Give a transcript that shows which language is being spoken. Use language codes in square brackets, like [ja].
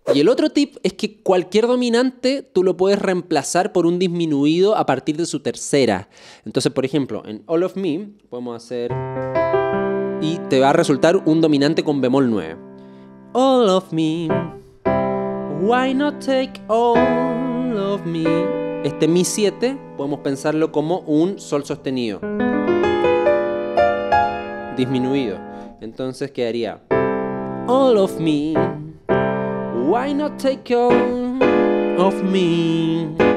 [es] Y el otro tip es que cualquier dominante tú lo puedes reemplazar por un disminuido a partir de su tercera. Entonces, por ejemplo, en All of Me podemos hacer y te va a resultar un dominante con bemol 9. [en] All of me, why not take all of me? [es] Este Mi 7 podemos pensarlo como un Sol sostenido disminuido. Entonces quedaría [en] All of me, why not take all of me?